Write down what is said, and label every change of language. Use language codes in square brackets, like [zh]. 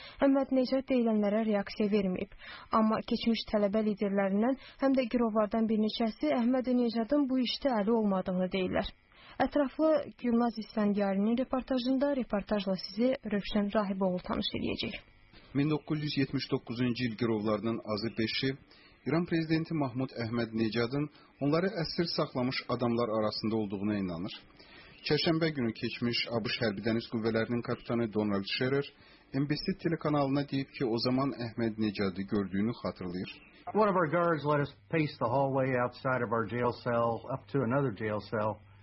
[az] Əhməd Necəd deyilənlərə reaksiya verməyib. Amma keçmiş tələbə liderlərindən, həm də girovlardan bir neçəsi Əhməd Necədin bu işdə əli olmadığını deyirlər. Ətraflı Gülnaz İsfəndiyarinin reportajında reportajla sizi Rövşən Rahiboğlu tanış edəcək. 1979-cu il girovlarının azı 5-i İran prezidenti Mahmud Əhməd Necadın onları əsir saxlamış adamlar arasında olduğuna inanır. Çərşənbə günü keçmiş ABŞ hərbi dəniz qüvvələrinin kapitanı Donald Scherer NBC telekanalına deyib ki, o zaman Əhməd Necadı gördüyünü xatırlayır. [en] One of our guards let us pace the hallway outside of our jail cell up to another jail cell.